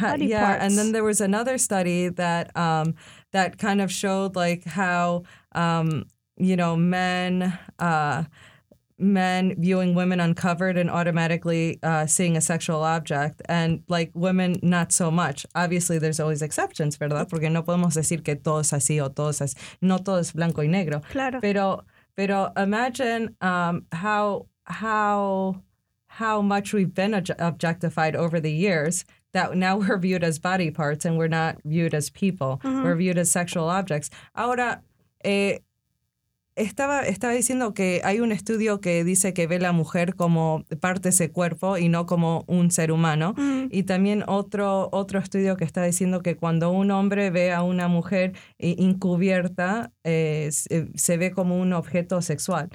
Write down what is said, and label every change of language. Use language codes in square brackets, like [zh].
[en] And then there was another study that, that kind of showed like how, you know, men, men viewing women uncovered and automatically seeing a sexual object, and like women, not so much. Obviously, there's always exceptions, [es] ¿verdad? Porque no podemos decir que todo es así o todo es así. No todo es blanco y negro. Claro. Pero [en] imagine how much we've been objectified over the years, that now we're viewed as body parts and we're not viewed as people. Uh-huh. We're viewed as sexual objects. [es] Ahora, estaba diciendo que hay un estudio que dice que ve la mujer como parte de ese cuerpo y no como un ser humano. Uh-huh. Y también otro estudio que está diciendo que cuando un hombre ve a una mujer encubierta, se ve como un objeto sexual.